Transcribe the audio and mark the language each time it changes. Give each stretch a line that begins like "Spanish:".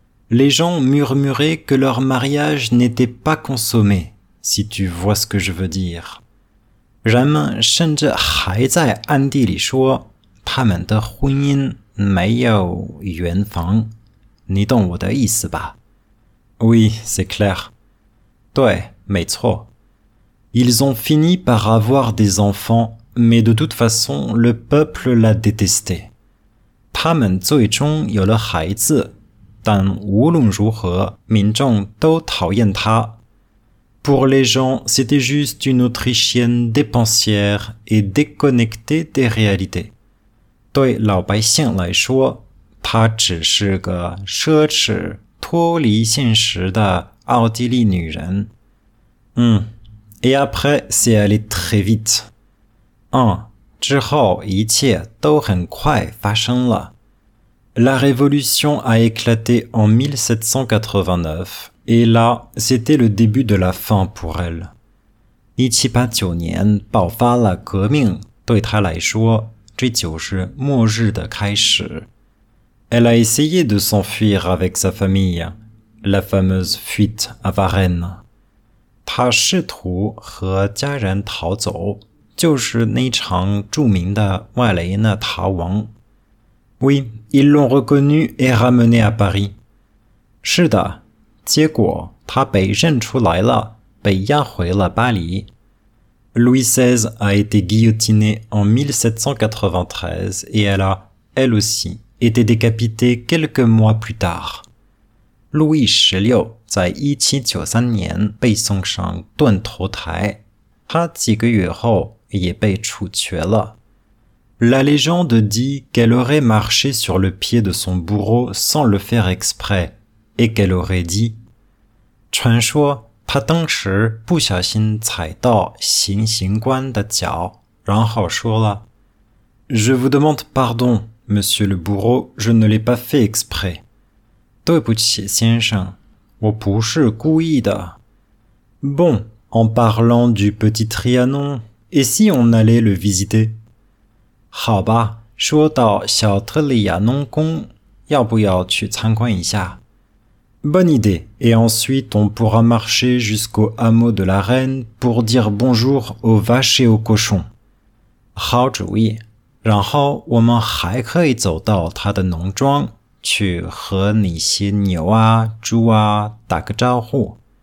French: Les gens murmuraient que leur mariage n'était pas consommé, si tu vois ce que je veux dire.
Chinese: 人们甚至还在暗地里说，他们的婚姻没有圆房。你懂我的意思吧？
French: Oui, c'est clair.
Chinese: 对，没错。
French: Ils ont fini par avoir des enfants, mais de toute façon, le peuple l'a détesté.
Chinese: 他们最终有了孩子。但无论如何，民众都讨厌他。
French: Pour les gens, c'était juste une Autrichienne dépensière et déconnectée des réalités.
Chinese: 对老百姓来说，她只是个奢侈、脱离现实的奥地利女人。
French: Et après, c'est allé très vite.
Chinese: 之后一切都很快发生了。
French: La révolution a éclaté en 1789, et là, c'était le début de la fin pour elle.
Chinese: 1789年爆发了革命，对她来说，这就是末日的开始。
French: Elle a essayé de s'enfuir avec sa famille, la fameuse fuite à Varennes.
Chinese: 她试图和家人逃走，就是那场著名的瓦雷纳逃亡。
French: Oui, ils l'ont reconnu et ramené à Paris.
Chinese: 是的，结果他被认出来了，被押回了巴黎。
French: Louis XVI a été guillotiné en 1793 et elle a, elle aussi, été décapitée quelques mois plus tard.
Chinese: Louis XVI 在1793年被送上断头台，他几个月后也被处决了。
French: La légende dit qu'elle aurait marché sur le pied de son bourreau sans le faire exprès, et qu'elle aurait dit.
Chinese: 传说她当时不小心踩到行刑官的脚，然后说了
French: "Je vous demande pardon, Monsieur le bourreau, je ne l'ai pas fait exprès."
Chinese: 对不起，先生，我不是故意的。
French: Bon, en parlant du petit Trianon, et si on allait le visiter?
Chinese: 好吧，说到小特里亚农宫，要不要去参观一下？
French: Bonne idée, et ensuite on pourra marcher jusqu'au hameau de la reine pour dire bonjour aux vaches et aux cochons.
Chinese: 好主意，然后我们还可以走到他的农庄，去和那些牛啊、猪啊打个招呼。